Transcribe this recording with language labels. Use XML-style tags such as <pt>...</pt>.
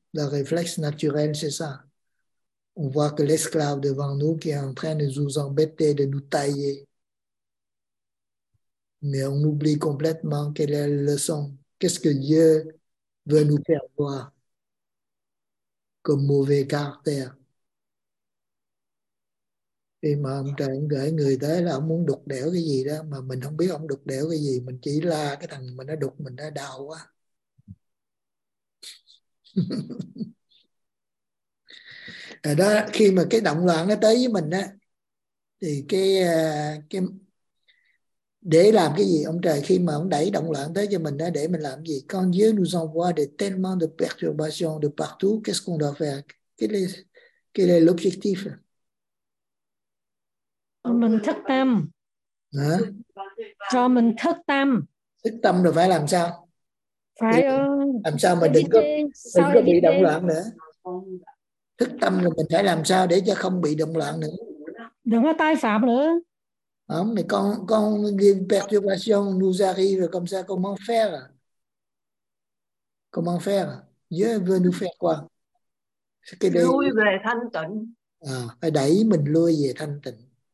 <fr>Le réflexe naturel, c'est ça. On voit que l'esclave devant nous qui est en train de nous embêter, de nous tailler. Mais on oublie complètement quelle est la leçon. Qu'est-ce que Dieu veut nous faire voir comme mauvais caractère. Et</fr> <vi>mà người người ta là muốn đục đẽo cái gì đó mà mình không biết ông đục đẽo cái gì, mình chỉ la cái thằng mình nó đục mình nó đau quá. Đó, khi mà cái động loạn nó tới với mình á thì cái để làm cái gì ông trời, khi mà ông đẩy động loạn tới cho mình á, để mình làm gì?</vi> <fr>Quand Dieu nous envoie des tellement de perturbations de partout, qu'est-ce qu'on doit faire? Quel est l'objectif?</fr> <vi>Mình thức tâm. Hả? Cho mình thức tâm. Thức tâm rồi phải làm sao? Phải làm sao mà đừng có bị động loạn nữa. Thức tâm rồi mình phải làm sao để cho không bị động loạn nữa. Đừng có tai phạm nữa. Không,</vi> <fr>mais quand une perturbation nous arrive comme ça, comment faire? Comment faire? Dieu veut nous faire quoi?</fr> <vi>Lui về thanh tịnh. Phải đẩy mình lui về thanh tịnh.</vi>